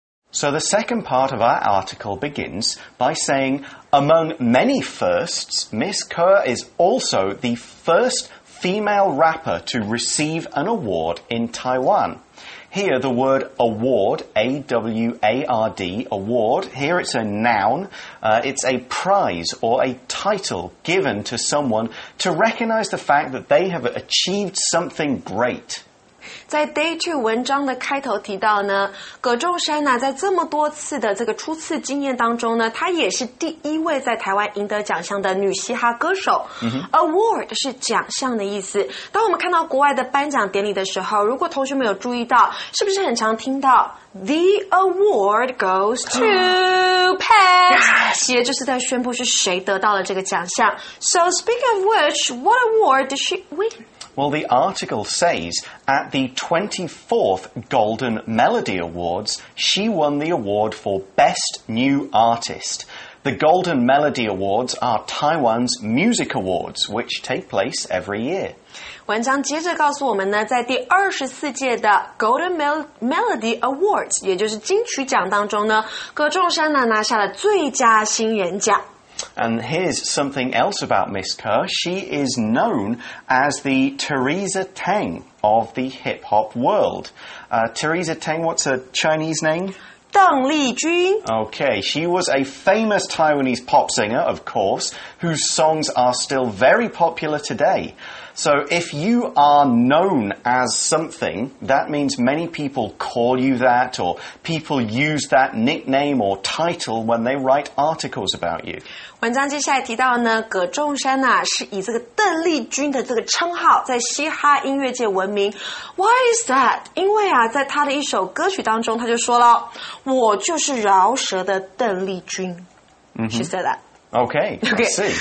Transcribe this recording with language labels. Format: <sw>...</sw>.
<en>So the second part of our article begins by saying, among many firsts, Miss Kerr is also the first female rapper to receive an award in Taiwan. Here, the word award, A-W-A-R-D, award, here it's a noun, it's a prize or a title given to someone to recognize the fact that they have achieved something great.</en> <zh>在 Day 2文章的开头提到呢，葛仲珊呢，在这么多次的这个初次经验当中呢，她也是第一位在台湾赢得奖项的女嘻哈歌手。 Mm-hmm. Award 是奖项的意思。当我们看到国外的颁奖典礼的时候，如果同学们有注意到，是不是很常听到</zh> <en>The award goes to Pat?、 Yes.</en> <zh>也就是在宣布是谁得到了这个奖项。</zh> <en>So speak of which, what award did she win? Well, the article says, at the 24th Golden Melody Awards, she won the award for Best New Artist. The Golden Melody Awards are Taiwan's music awards, which take place every year.</en> <zh>文章接着告诉我们呢，在第24届的 Golden Melody Awards, 也就是金曲奖当中呢，葛仲珊呢拿下了最佳新人奖。</zh> <en>And here's something else about Miss Ko. She is known as the Teresa Teng of the hip-hop world. Teresa Teng, what's her Chinese name? Deng Lijun. Okay, she was a famous Taiwanese pop singer, of course, whose songs are still very popular today. So if you are known as something, that means many people call you that or people use that nickname or title when they write articles about you.</en> <zh>文章接下来提到呢，葛仲珊啊，是以这个邓丽君的这个称号在嘻哈音乐界闻名。</zh> <en>Why is that?</en> <zh>因为啊，在他的一首歌曲当中，他就说了，我就是饶舌的邓丽君。</zh> <en>She said that. Okay, let's see.</en>